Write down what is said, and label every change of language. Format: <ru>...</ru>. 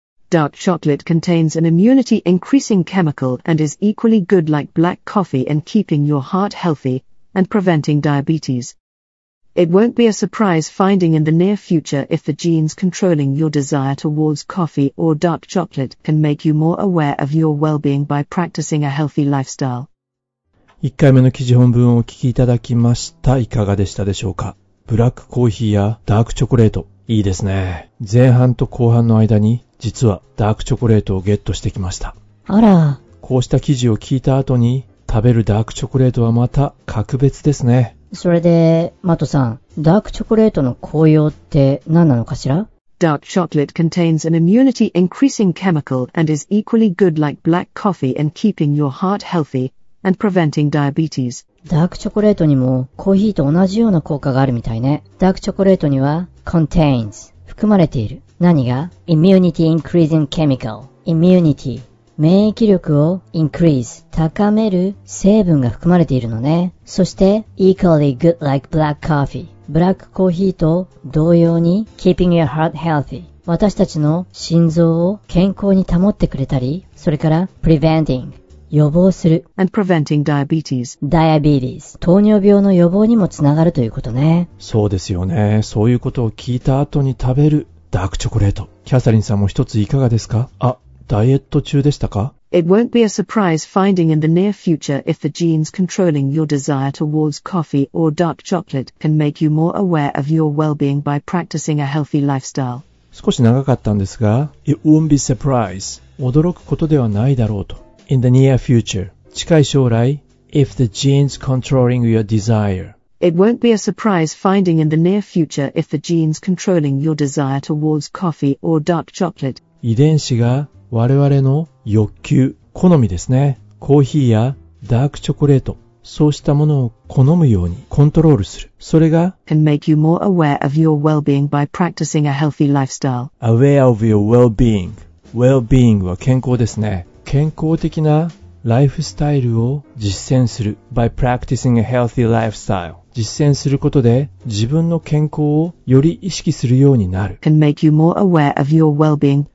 <en>Dark chocolate contains an immunity-increasing chemical and is equally good like black coffee in keeping your heart healthy and preventing diabetes. It won't be a surprise finding in the near future if the genes controlling your desire towards coffee or dark chocolate can make you more aware of your well-being by practicing a healthy lifestyle.</en> <ja>1回目の記事本文をお聞きいただきました。いかがでしたでしょうか？ブラックコーヒーやダークチョコレート、いいですね。前半と後半の間に実はダークチョコレートをゲットしてきました。あら。こうした記事を聞いた後に食べるダークチョコレートはまた格別ですね。それで、マトさん、ダークチョコレートの効用って何なのかしら？</ja> <en>Dark chocolate contains an immunity increasing chemical and is equally good like black coffee in keeping your heart healthy and preventing diabetes.</en> <ja>ダークチョコレートにもコーヒーと同じような効果があるみたいね。ダークチョコレートには contains 含まれている。何が？</ja> <en>immunity increasing chemical.</en> <ja>immunity 免疫力を increase 高める成分が含まれているのね。そして</ja> <en>equally good like black coffee</en> <ja>ブラックコーヒーと同様に</ja> <en>keeping your heart healthy</en> <ja>私たちの心臓を健康に保ってくれたりそれから preventing 予防する</ja> <en>and preventing diabetes</en> <ja>糖尿病の予防にもつながるということね。そうですよね。そういうことを聞いた後に食べるダークチョコレート、キャサリンさんも一ついかがですか？あ、ダイエット中でしたか？</ja> <en>It won't be a surprise finding in the near future if the genes controlling your desire towards coffee or dark chocolate can make you more aware of your well-being by practicing a healthy lifestyle.</en> <ja>少し長かったんですが、</ja> <en>It won't be a surprise.</en> <ja>驚くことではないだろうと。</ja> <en>In the near future.</en> <ja>近い将来、</ja> <en>If the genes controlling your desire. It won't be a surprise finding in the near future if the genes controlling your desire towards coffee or dark chocolate.</en> <ja>遺伝子が我々の欲求、好みですね。コーヒーやダークチョコレート、そうしたものを好むようにコントロールする。それが</ja> <en>can make you more aware of your well-being by practicing a healthy lifestyle. Aware of your well-being.</en> <ja>Well-being は健康ですね。健康的なライフスタイルを実践する</ja> <en>by practicing a healthy lifestyle</en> <ja>実践することで自分の健康をより意識するようになる</ja> <en>can make you more aware of your well-being</en>